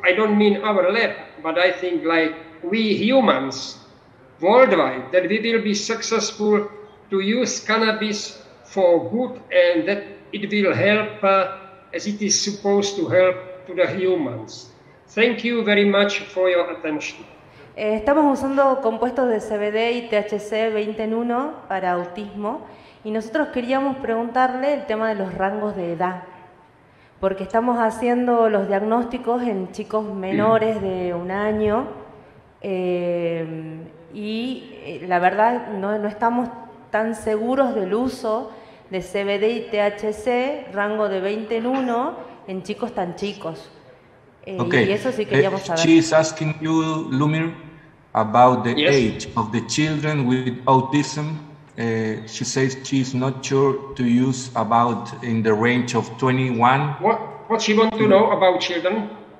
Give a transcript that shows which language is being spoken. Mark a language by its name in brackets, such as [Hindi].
[English] I don't mean our lab, but I think like we humans worldwide, that we will be successful to use cannabis for good, and that it will help as it is supposed to help to the humans. Thank you very much for your attention. [Spanish] Estamos usando compuestos de CBD y THC 20 en 1 para autismo, y nosotros queríamos preguntarle el tema de los rangos de edad, porque estamos haciendo los diagnósticos en chicos menores de un año, y la verdad no estamos tan seguros del uso de CBD y THC rango de 20 en 1 en chicos tan chicos. [English] Okay, she is asking you, Lumir, about the age of the children with autism. She says she is not sure to use about in the range of 21. What she want to know about children?